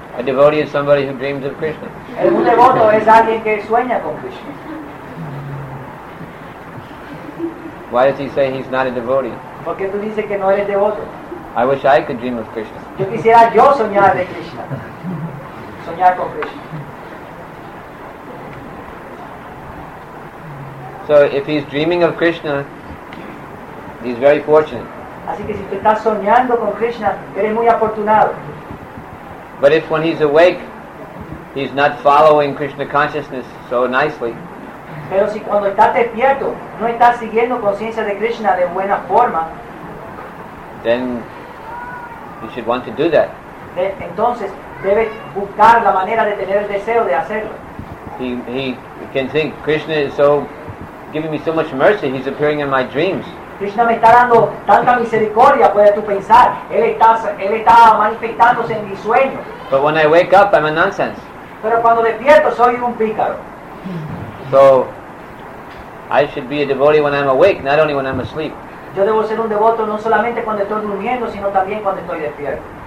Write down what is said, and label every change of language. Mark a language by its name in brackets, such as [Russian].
[English] A devotee is somebody who dreams of Krishna. [Spanish] Un devoto es alguien que sueña con Krishna. [English] Why does he say he's not a devotee? [Spanish] Porque tú dices que no eres devoto. [English] I wish I could dream of Krishna. [Spanish] Yo quisiera yo soñar de Krishna. Soñar con Krishna. [English] So if he's dreaming of Krishna, he's very fortunate. [Spanish] Así que si tú estás soñando con Krishna, eres muy afortunado. [English] But if when he's awake, he's not following Krishna consciousness so nicely. [Spanish] Pero si cuando estás despierto, no estás siguiendo conciencia de Krishna de buena forma. [English] Then you should want to do that. [Spanish] Entonces debes buscar la manera de tener el deseo de hacerlo. [English] He can think Krishna is so giving me so much mercy. He's appearing in my dreams. [Spanish] Krishna me está dando tanta misericordia, puedes tú pensar. Él está manifestándose en mi sueño. [English] But when I wake up, I'm a nonsense. [Spanish] Pero cuando despierto, soy un pícaro. [English] So I should be a devotee when I'm awake, not only when I'm asleep. [Spanish] Yo debo ser un devoto no solamente cuando estoy durmiendo, sino también cuando estoy despierto.